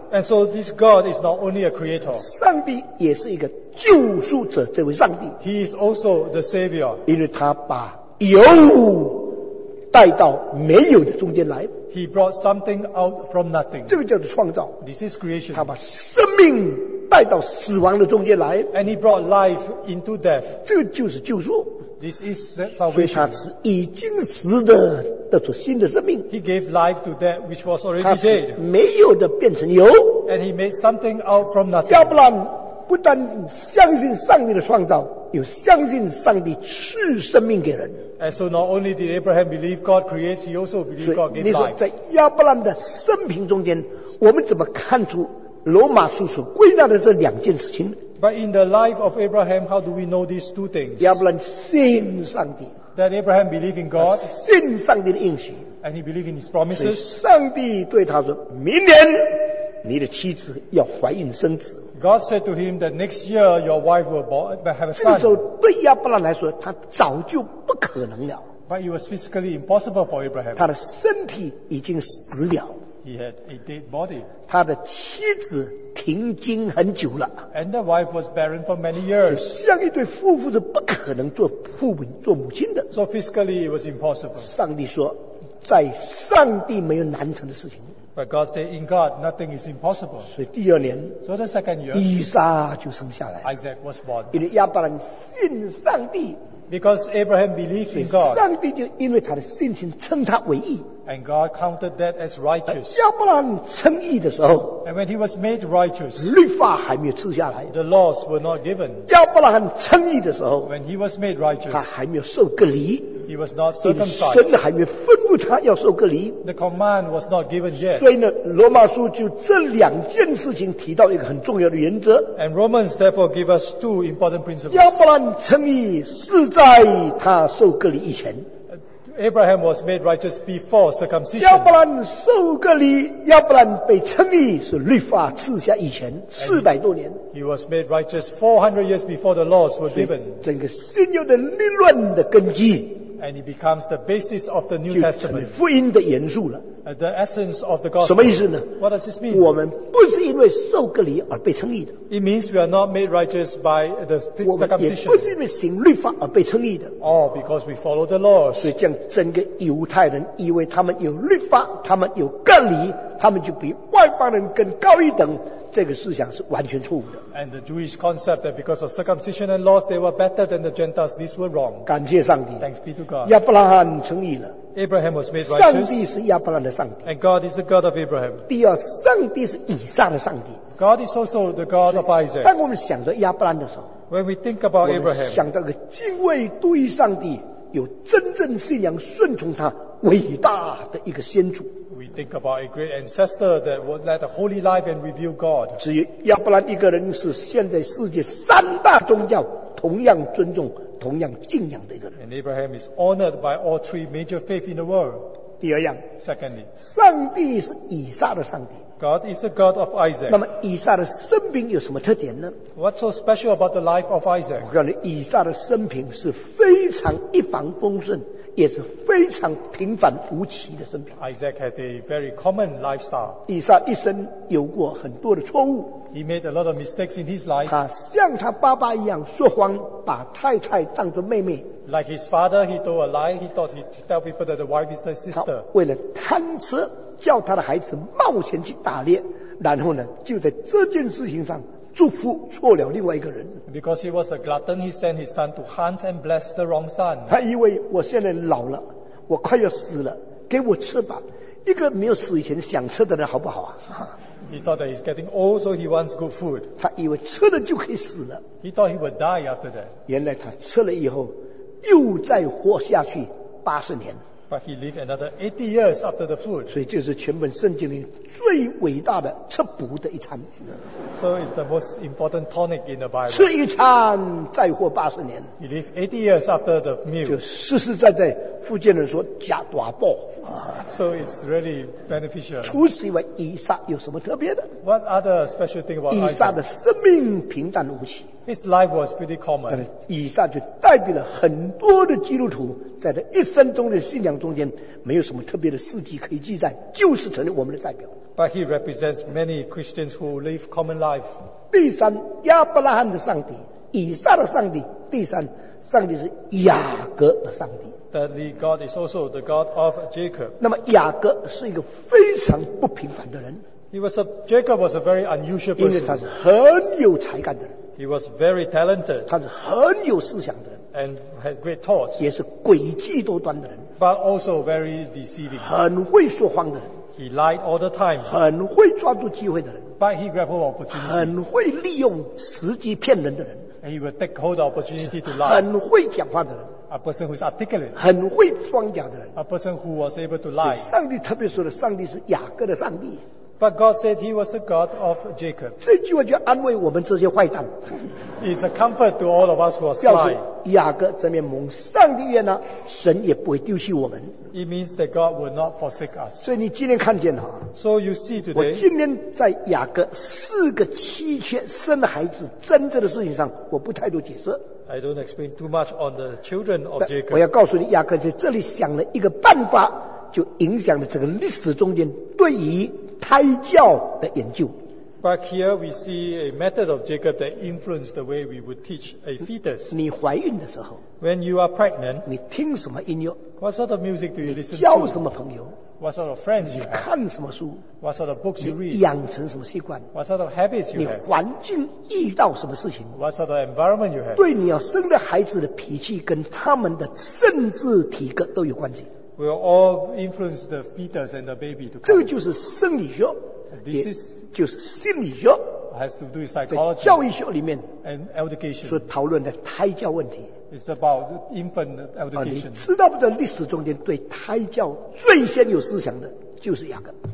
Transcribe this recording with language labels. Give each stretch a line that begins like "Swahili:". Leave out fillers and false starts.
English: And so this God is not only a creator.
Chinese: 上帝也是一个救赎者这位上帝
English: He is also the savior.
Chinese: 因为他把有带到没有的中间来
English: He brought something out from nothing.
Chinese: 这个叫做创造
English: This is creation.
Chinese: 他把生命带到死亡的中间来
English: And he brought life into death.
Chinese: 这个就是救赎
English: This is salvation.
Chinese: 所以他是已经死的得出新的生命
English: He gave life to that which was already dead.
Chinese: 没有的变成有
English: And he made something out from nothing.
Chinese: 要不然不但相信上帝的创造，又相信上帝赐生命给人。
English: And so not only did Abraham believe God creates, he also believed God gave life.
Chinese: 所以你说在亚伯拉罕的生平中间，我们怎么看出罗马书所归纳的这两件事情
English: ？But in the life of Abraham, how do we know these two things?
Chinese: 亚伯拉罕信上帝。
English: That Abraham believed in God.
Chinese: 信上帝的应许。
English: And he believed in his promises.
Chinese: 所以上帝对他说：“明年你的妻子要怀孕生子。”
English: God said to him that next year your wife will have a son.
Chinese: 这时候对亚伯拉罕来说，他早就不可能了。
English: But it was physically impossible for Abraham.
Chinese: 他的身体已经死了。
English: He had a dead body.
Chinese: 他的妻子停经很久了。
English: And the wife was barren for many years.
Chinese: 这样一对夫妇是不可能做父母、做母亲的。
English: So physically it was impossible.
Chinese: 上帝说，在上帝没有难成的事情。
English: But God said, "In God, nothing is impossible."
Chinese: 所以第二年
English: ，So the second year,
Chinese: 以撒就生下来。
English: Isaac was born.
Chinese: 因为亚伯拉罕信上帝
English: ，Because Abraham believed in God.
Chinese: 上帝就因为他的信心称他为义。
English: And God counted that as righteous.
Chinese: 亚伯拉罕称义的时候
English: ，And when he was made righteous,
Chinese: 律法还没有赐下来。
English: The laws were not given.
Chinese: 亚伯拉罕称义的时候
English: ，When he was made righteous,
Chinese: 他还没有受割礼。
English: He was not circumcised.
Chinese: 神还没吩咐他要受割礼。
English: The command was not given yet.
Chinese: 所以呢，罗马书就这两件事情提到一个很重要的原则。
English: And Romans therefore give us two important principles.
Chinese: 亚伯拉罕称义是在他受割礼以前。
English: Abraham was made righteous before circumcision.
Chinese: 亚伯兰受割礼，亚伯兰被称义是律法赐下以前四百多年。
English: He was made righteous 400 years before the laws were given.
Chinese: 整个新约的立论的根基。
English: And it becomes the basis of the New Testament.
Chinese: 就成为福音的元素了。
English: The essence of the gospel.
Chinese: 什么意思呢
English: ？What does this mean?
Chinese: 我们不是因为受割礼而被称义的。
English: It means we are not made righteous by the circumcision.
Chinese: 我们也不是因为行律法而被称义的。
English: Oh, because we follow the laws.
Chinese: 所以这样整个犹太人以为他们有律法，他们有割礼，他们就比万外邦人更高一等，这个思想是完全错误的。
English: And the Jewish concept that because of circumcision and laws they were better than the Gentiles, these were wrong.
Chinese: 感谢上帝。
English: Thanks be to God.
Chinese: 亚伯拉罕称义了。
English: Abraham was made righteous.
Chinese: 上帝是亚伯拉罕的上帝。
English: And God is the God of Abraham.
Chinese: 第二，上帝是以撒的上帝。
English: God is also the God of Isaac.
Chinese: 当我们想着亚伯拉罕的时候
English: ，When we think about Abraham，
Chinese: 我们想到个敬畏对上帝、有真正信仰、顺从他伟大的一个先祖。
English: We think about a great ancestor that would led a holy life and reveal God.
Chinese: 只有亚伯兰一个人是现在世界三大宗教同样尊重、同样敬仰的一个人。
English: And Abraham is honored by all three major faith in the world.
Chinese: 第二样
English: ，Secondly，
Chinese: 上帝是以撒的上帝。
English: God is the God of Isaac.
Chinese: 那么以撒的生平有什么特点呢
English: ？What's so special about the life of Isaac？
Chinese: 我告诉你，以撒的生平是非常一帆风顺。也是非常平凡无奇的生平。
English: Isaac had a very common lifestyle.
Chinese: 以撒一生有过很多的错误。
English: He made a lot of mistakes in his life.
Chinese: 他像他爸爸一样说谎，把太太当作妹妹。
English: Like his father, he told a lie. He thought he'd tell people that the wife is the sister.
Chinese: 为了贪吃，叫他的孩子冒险去打猎，然后呢，就在这件事情上祝福错了另外一个人。
English: Because he was a glutton, he sent his son to hunt and bless the wrong son.
Chinese: 他以为我现在老了，我快要死了，给我吃吧。一个没有死以前想吃的人好不好啊
English: ？He thought that he's getting old, so he wants good food.
Chinese: 他以为吃了就可以死了。
English: He thought he would die after that.
Chinese: 原来他吃了以后，又再活下去八十年。
English: But he lived another 80 years after the food.
Chinese: 所以就是全本圣经里最伟大的吃补的一餐。
English: So it's the most important tonic in the Bible.
Chinese: 吃一餐再活八十年。
English: He lived 80 years after the meal.
Chinese: 就实实在在福建人说加大补。
English: So it's really beneficial.
Chinese: 除此以外，以撒有什么特别的
English: ？What other special thing about
Chinese: 以撒的生命平淡无奇。
English: His life was pretty common.
Chinese: 以撒就代表了很多的基督徒在他一生中的信仰中间没有什么特别的事迹可以记载，就是成为我们的代表。
English: But he represents many Christians who live common life.
Chinese: 第三，亚伯拉罕的上帝，以撒的上帝，第三，上帝是雅各的上帝。
English: Thirdly, God is also the God of Jacob.
Chinese: 那么雅各是一个非常不平凡的人。
English: Jacob was a very unusual person.
Chinese: 因为他是很有才干的人。
English: He was very talented.
Chinese: 他是很有思想的人。
English: And had great thoughts.
Chinese: 也是诡计多端的人。
English: But also very deceiving.
Chinese: 很会说谎的人。
English: He lied all the time.
Chinese: 很会抓住机会的人。
English: But he grabbed opportunity.
Chinese: 很会利用时机骗人的人。
English: And he would take hold of opportunity to lie.
Chinese: 很会讲话的人。
English: A person who is articulate.
Chinese: 很会装假的人。
English: A person who was able to lie.
Chinese: 上帝特别说的，上帝是雅各的上帝。
English: But God said he was the God of Jacob.
Chinese: 这句话就安慰我们这些坏蛋。
English: It's a comfort to all of us who are sly.
Chinese: 雅各这面蒙上帝悦纳，神也不会丢弃我们。
English: It means that God will not forsake us.
Chinese: 所以你今天看见哈
English: ？So you see today.
Chinese: 我今天在雅各四个妻妾生孩子争执的事情上，我不太多解释。
English: I don't explain too much on the children of Jacob.
Chinese: 我要告诉你，雅各在这里想了一个办法，就影响了整个历史中间对于胎教的研究。
English: But here we see a method of Jacob that influenced the way we would teach a fetus.
Chinese: 你怀孕的时候
English: ，When you are pregnant，
Chinese: 你听什么音乐
English: ？What sort of music do you listen to？
Chinese: 交什么朋友
English: ？What sort of friends you have？
Chinese: 你看什么书
English: ？What sort of books you read？
Chinese: 你养成什么习惯
English: ？What sort of habits you have？
Chinese: 你环境遇到什么事情
English: ？What sort of environment you have？
Chinese: 对你要生的孩子的脾气跟他们的甚至体格都有关系。
English: Will all influence the fetus and the baby to come.
Chinese: 这个就是生理学
English: ，this is
Chinese: 就是心理学
English: ，has to do with psychology.
Chinese: 在教育学里面
English: ，and education
Chinese: 所讨论的胎教问题
English: ，it's about infant education.
Chinese: 你知道不知道历史中间对胎教最先有思想的就是雅各